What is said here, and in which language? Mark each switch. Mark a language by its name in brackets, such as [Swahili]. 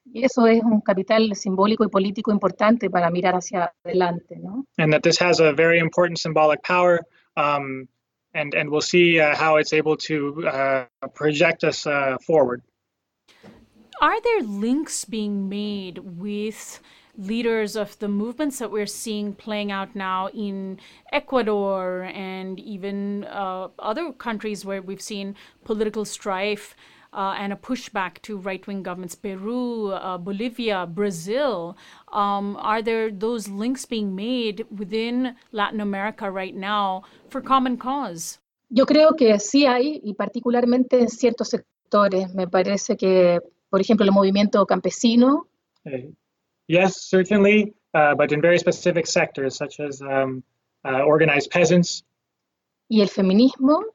[Spanish] Y eso es un capital simbólico y político importante para mirar hacia adelante, ¿no? [English] And that this has a very important symbolic power, and we'll see how it's able to project us forward. Are there links being made with leaders of the movements that we're seeing playing out now in Ecuador and even other countries where we've seen political strife and a pushback to right-wing governments, Peru, Bolivia, Brazil? Are there those links being made within Latin America right now for common cause? [Spanish] Yo creo que sí hay, y particularmente en ciertos sectores. Me parece que, por ejemplo, el movimiento campesino. [English] Yes, certainly, but in very specific sectors, such as organized peasants. [Spanish] Y el feminismo.